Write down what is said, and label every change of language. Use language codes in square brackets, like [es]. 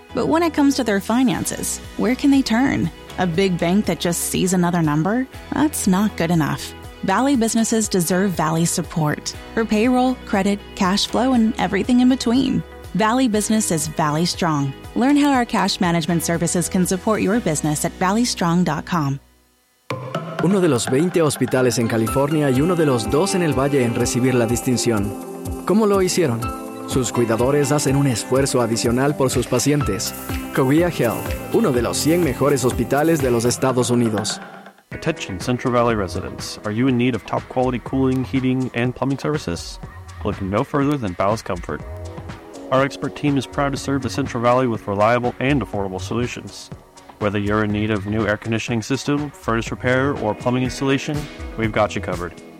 [en] But when it comes to their finances, where can they turn? A big bank that just sees another number? That's not good enough. Valley businesses deserve Valley support for payroll, credit, cash flow, and everything in between. Valley business is Valley strong. Learn how our cash management services can support your business at valleystrong.com. [es] Uno de los 20 hospitales en California y uno de los dos en el Valle en recibir la distinción. ¿Cómo lo hicieron? Sus cuidadores hacen un esfuerzo adicional por sus pacientes. Cahuilla Health, uno de los 100 mejores hospitales de los Estados Unidos. [en] Attention Central Valley residents, are you in need of top quality cooling, heating, and plumbing services? Look no further than Bowles Comfort. Our expert team is proud to serve the Central Valley with reliable and affordable solutions. Whether you're in need of new air conditioning system, furnace repair, or plumbing installation, we've got you covered.